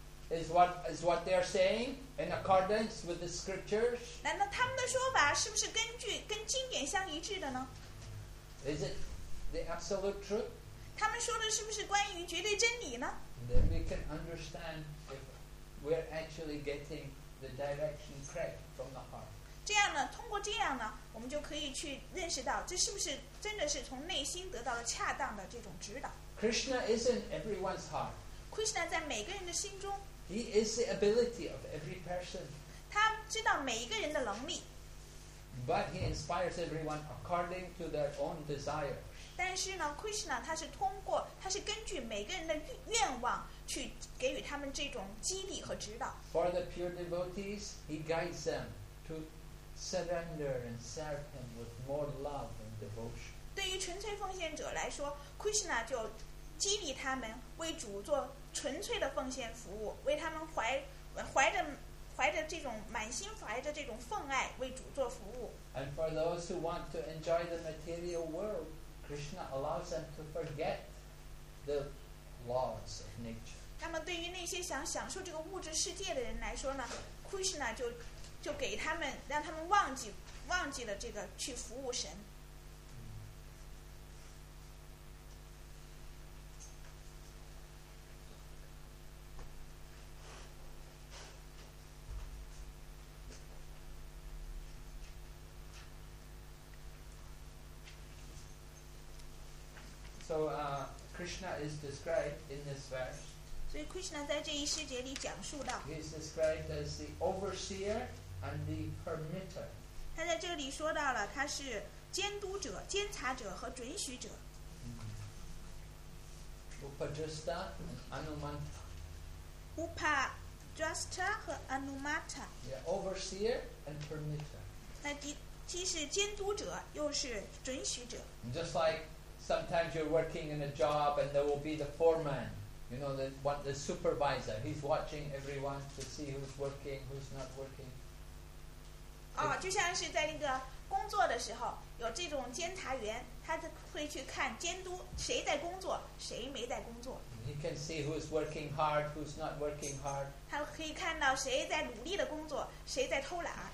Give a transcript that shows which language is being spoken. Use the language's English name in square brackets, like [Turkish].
[English] is what they are saying in accordance with the scriptures [Chinese] 难道他们的说法是不是跟经典相一致的呢 [English] is it the absolute truth [Chinese] 他们说的是不是关于绝对真理呢 [English] then we can understand if we are actually getting the direction correct from the heart [Chinese] 这样呢通过这样呢我们就可以去认识到这是不是真的是从内心得到了恰当的这种指导 [English] Krishna is in everyone's heart [Chinese] Krishna 在每个人的心中 [English] He is the ability of every person [Chinese] 他知道每一个人的能力 [English] But he inspires everyone according to their own desire [Chinese] 但是呢 Krishna 他是根据每个人的愿望去给予他们这种激励和指导 [English] For the pure devotees he guides them toSurrender and serve him with more love and devotion. [Chinese] 对于纯粹奉献者来说 ，Krishna 就激励他们为主做纯粹的奉献服务，为他们怀着这种满心怀着这种份爱为主做服务。 [English] And for those who want to enjoy the material world, Krishna allows them to forget the laws of nature. [Chinese] 那么对于那些想享受这个物质世界的人来说呢， Krishna 就给他们让他们忘记了这个去服务神。 [English] So Krishna is described in this verse. [Chinese] 所以 Krishna 在这一诗节里讲述到。 [English] He is described as the overseer and the permitter. [Chinese] 他在这里说到了，他是监督者、监察者和准许者。 [English] Upajasta and Anumata. [Chinese] Upajasta 和 Anumata. [English] Yeah, overseer and permitter. [Chinese] 那既是监督者，又是准许者。 [English] Just like sometimes you're working in a job and there will be the foreman, you know, the supervisor. He's watching everyone to see who's working, who's not working. [Chinese] Oh, 就像是在那个工作的时候，有这种监察员，他会去看监督谁在工作，谁没在工作。 [English] He can see who's working hard, who's not working hard. [Chinese] 他可以看到谁在努力的工作，谁在偷懒。